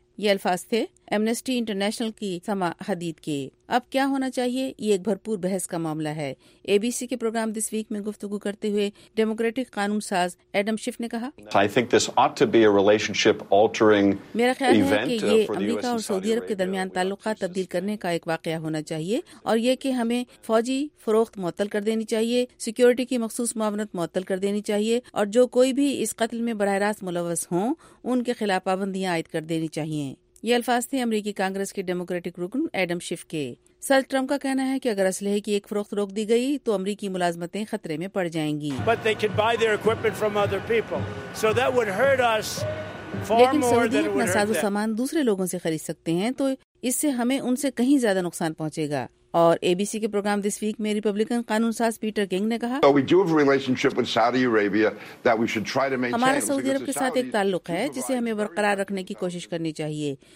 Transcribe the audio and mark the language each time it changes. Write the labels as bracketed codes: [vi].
[ur] یہ الفاظ تھے ایمنسٹی انٹرنیشنل کی سما حدید کے. اب کیا ہونا چاہیے, یہ ایک بھرپور بحث کا معاملہ ہے. اے بی سی کے پروگرام دس ویک میں گفتگو کرتے ہوئے ڈیموکریٹک قانون ساز ایڈم شیف نے کہا, [en] I think this ought to be a relationship altering [ur] میرا خیال ہے کہ یہ امریکہ اور سعودی عرب کے درمیان تعلقات تبدیل کرنے کا ایک واقعہ ہونا چاہیے, اور یہ کہ ہمیں فوجی فروخت معطل کر دینی چاہیے, سیکیورٹی کی مخصوص معاونت معطل کر دینی چاہیے, اور جو کوئی بھی اس قتل میں براہ راست ملوث ہوں ان کے خلاف پابندیاں عائد کر دینی چاہیے. یہ الفاظ تھے امریکی کانگریس کے ڈیموکریٹک رکن ایڈم شیف کے. سر ٹرمپ کا کہنا ہے کہ اگر اسلحے کی ایک فروخت روک دی گئی تو امریکی ملازمتیں خطرے میں پڑ جائیں گی. [en] But they could buy their equipment from other people. So that would hurt us far [ur] لیکن سعودی [en] more than [ur] اپنا ساز و سامان دوسرے لوگوں سے خرید سکتے ہیں, تو اس سے ہمیں ان سے کہیں زیادہ نقصان پہنچے گا. اور اے بی سی کے پروگرام دس ویک میں ریپبلکن قانون ساز پیٹر کنگ نے کہا, ہمارا سعودی عرب کے ساتھ ایک تعلق ہے جسے ہمیں برقرار رکھنے کی کوشش کرنی چاہیے.